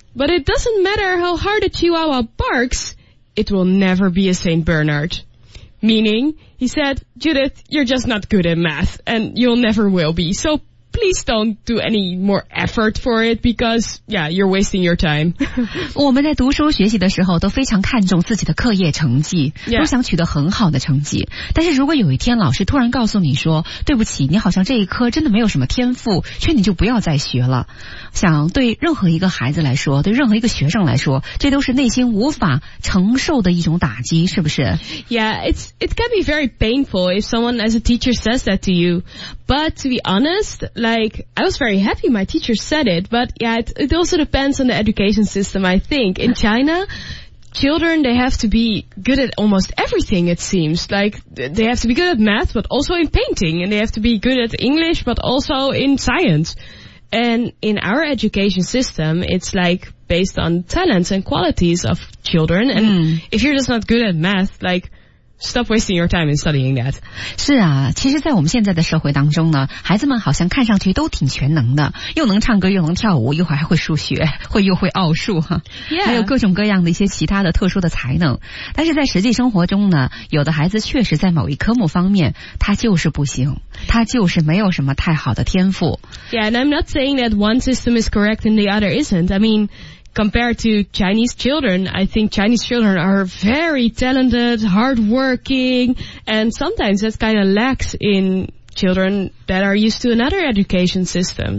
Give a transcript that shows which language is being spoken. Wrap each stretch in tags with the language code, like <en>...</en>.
<en>But it doesn't matter how hard a Chihuahua barks, it will never be a St. Bernard. Meaning, he said, Judith, you're just not good at math, and you'll never will be, so please don't do any more effort for it, because, yeah, you're wasting your time.</en> <zh>我们在读书学习的时候都非常看重自己的课业成绩、 yeah. 都想取得很好的成绩，但是如果有一天老师突然告诉你说，对不起，你好像这一科真的没有什么天赋，劝你就不要再学了，想对任何一个孩子来说，对任何一个学生来说，这都是内心无法承受的一种打击，是不是？</zh> <en>Yeah, it can be very painful if someone as a teacher says that to you, but to be honest,Like, I was very happy my teacher said it, but yeah, it also depends on the education system, I think. In China, children, they have to be good at almost everything, it seems. Like, they have to be good at math, but also in painting, and they have to be good at English, but also in science. And in our education system, it's like based on talents and qualities of children, and if you're just not good at math, like... Stop wasting your time in studying that.</en> <zh>是啊，其实在我们现在的社会当中呢，孩子们好像看上去都挺全能的，又能唱歌又能跳舞，一会儿还会数学，又会奥数哈， yeah. 还有各种各样的一些其他的特殊的才能。但是在实际生活中呢，有的孩子确实在某一科目方面他就是不行，他就是没有什么太好的天赋。</zh> <en>Yeah, and I'm not saying that one system is correct and the other isn't. I meanCompared to Chinese children, I think Chinese children are very talented, hardworking, and sometimes that's kind of lacks in children that are used to another education system.</en>